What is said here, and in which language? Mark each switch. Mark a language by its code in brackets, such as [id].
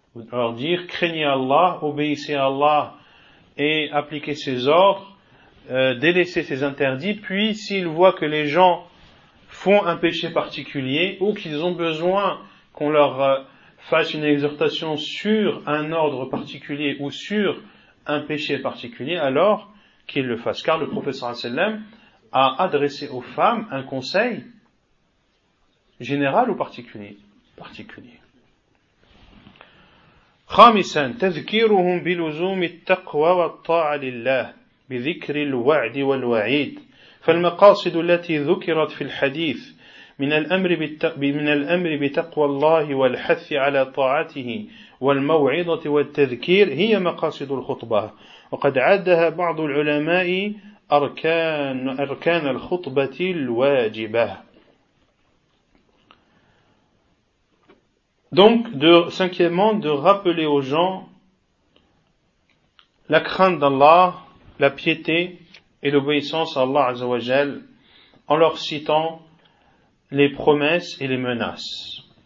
[fr] Leur dire, craignez Allah, obéissez à Allah et appliquez ses ordres, délaisser ses interdits, puis s'il voit que les gens font un péché particulier ou qu'ils ont besoin qu'on leur fasse une exhortation sur un ordre particulier ou sur un péché particulier, alors qu'ils le fassent. Car le prophète sallam a adressé aux femmes un conseil général ou particulier. [ar] خامساً تذكيرهم بلزوم التقوى والطاعة لله بذكر الوعد والوعيد فالمقاصد التي ذكرت في الحديث من الأمر بتقوى الله والحث على طاعته والموعظة والتذكير هي مقاصد الخطبة وقد عدها بعض العلماء أركان الخطبة الواجبة. [fr] Donc, cinquièmement, de rappeler aux gens la crainte d'Allah, la piété et l'obéissance à Allah Azza wa Jal, en leur citant les promesses et les menaces.